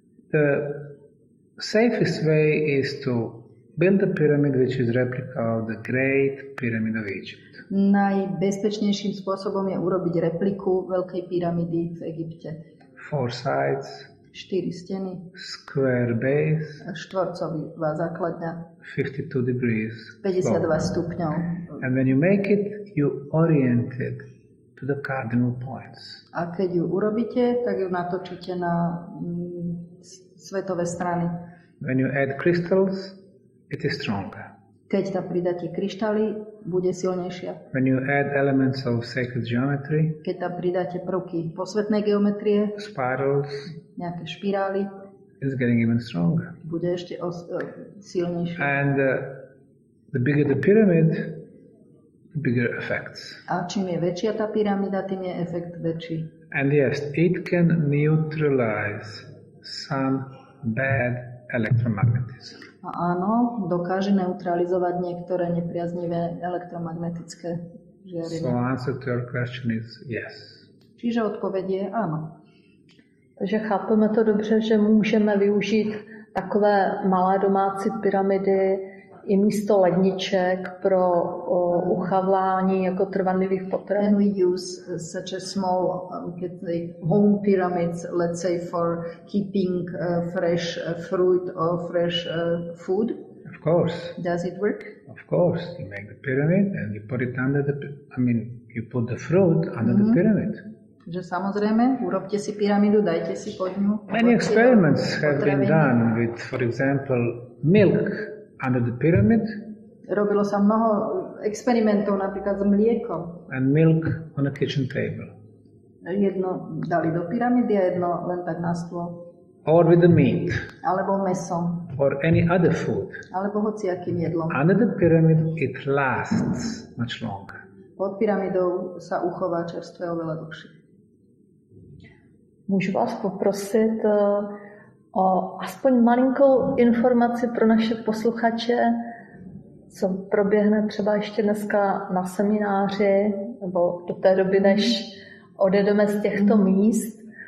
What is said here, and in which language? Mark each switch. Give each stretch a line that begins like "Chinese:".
English: The safest way is to build a pyramid which is a replica of the Great Pyramid of Egypt.
Slovak: Najbezpečnejším spôsobom je urobiť repliku veľkej pyramidy v Egypte.
English: Four sides.
Slovak: Štyri steny.
English: Square base.
Slovak: Štvorcová základňa.
English: 52 degrees.
Slovak: 52 stupňov.
English: And when you make it, you orient it to the cardinal points.
Slovak: A keď ju urobíte, tak ju natočíte na svetové strany.
English: When you add crystals, it is stronger.
Slovak: Keď tam pridáte kryštály, bude silnejšia.
English: When you add elements of sacred geometry,
Slovak: keď tam pridáte prvky posvetnej geometrie,
English: spirals,
Slovak: nejaké špirály,
English: it's getting even stronger.
Slovak: Bude ešte silnejšia.
English: And the bigger the pyramid, the bigger effects.
Slovak: A čím je väčšia tá pyramída, tým je efekt väčší.
English: And yes, it can neutralize some bad electromagnetism.
Slovak: A áno, dokáže neutralizovať niektoré nepriaznivé elektromagnetické žiarenie.
English: So answer to your question is yes.
Slovak: Čiže odpoveď je áno.
Czech: Takže chápeme to dobře, že
Slovak: môžeme využiť
Czech: takové malé domácí pyramidy i místo ledniček pro uchavlání jako trvanlivých potrav.
English: And we use such a small home pyramids, let's say, for keeping fresh fruit or fresh food. Of course. Does it work? Of course. You make the pyramid and you put it under the, you put the fruit under the pyramid.
Slovak: Že samozrejme, urobte si pyramidu, dajte si pod ňu.
English: Many experiments have been done with, for example, milk under the pyramid.
Slovak: Robilo sa mnoho experimentov, napríklad s mliekom.
English: And milk on a kitchen table.
Slovak: Jedno dali do pyramidy a jedno len tak na stôl.
English: Or with the meat.
Slovak: Alebo mesom.
English: Or any other food.
Slovak: Alebo hociakým jedlom.
English: Under the pyramid it lasts much longer.
Slovak: Pod pyramidou sa uchová čerstvé oveľa dlhšie.
Czech: Můžu vás poprosit o aspoň malinkou informaci pro naše posluchače, co proběhne třeba ještě dneska na semináři nebo do té doby, než odjedeme z těchto míst.